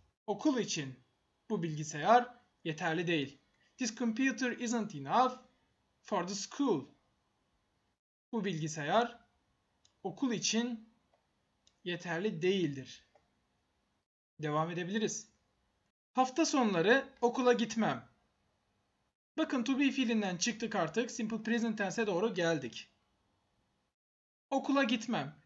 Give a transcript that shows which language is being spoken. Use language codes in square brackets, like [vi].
[tr] Okul için bu bilgisayar yeterli değil. [en] This computer isn't enough for the school. [tr] Bu bilgisayar okul için yeterli değildir. Devam edebiliriz. Hafta sonları okula gitmem. Bakın to be fiilinden çıktık artık. Simple present tense'e doğru geldik. Okula gitmem.